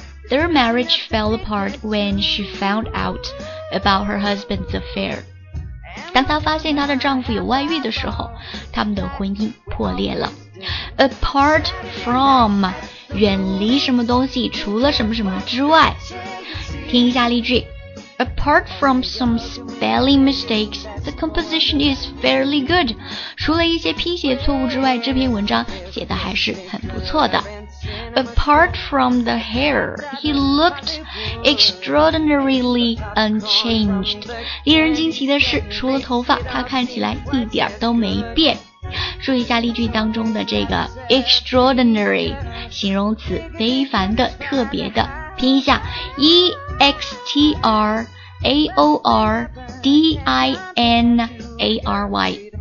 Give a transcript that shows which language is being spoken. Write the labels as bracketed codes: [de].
[en] Their marriage fell apart when she found out about her husband's affair。 [zh] 当她发现她的丈夫有外遇的时候，他们的婚姻破裂了。 [en] Apart from， [zh] 远离什么东西，除了什么什么之外。听一下例句。 [en] Apart from some spelling mistakes, the composition is fairly good. [zh] 除了一些拼写错误之外，这篇文章写的还是很不错的。 [en] Apart from the hair, he looked extraordinarily unchanged. [zh] 令人惊奇的是，除了头发，他看起来一点都没变。注意一下例句当中的这个 extraordinary， 形容词，非凡的，特别的。拼一下 extraordinary，